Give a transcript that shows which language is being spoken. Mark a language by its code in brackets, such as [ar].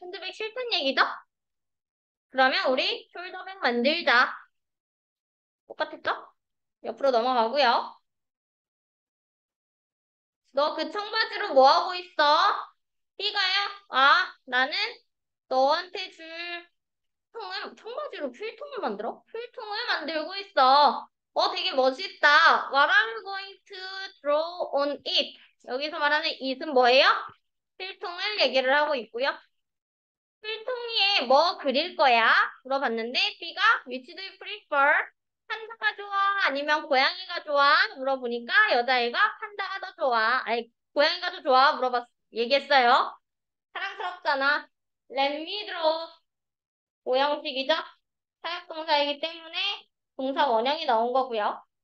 [ko] 핸드백 싫단 얘기죠? 그러면 우리 숄더백 만들자. 똑같았죠? 옆으로 넘어가고요. 너그 청바지로 뭐 하고 있어? 삐가요? 아, 나는 너한테 줄 청바지로 필통을 만들어? 필통을 만들고 있어. 되게 멋있다. [en] What are you going to draw on it? [ko] 여기서 말하는 it은 뭐예요? 필통을 얘기를 하고 있고요. 필통 위에 뭐 그릴 거야? 물어봤는데 B가 [en] which do you prefer? [ko] 판다가 좋아? 아니면 고양이가 좋아? 물어보니까 여자애가 판다가 더 좋아. 아니, 고양이가 더 좋아? 물어봤, 얘기했어요. 사랑스럽잖아. [en] Let me draw. [ko] 모형식이죠? 사역동사이기 때문에 동사 원형이 나온 거고요.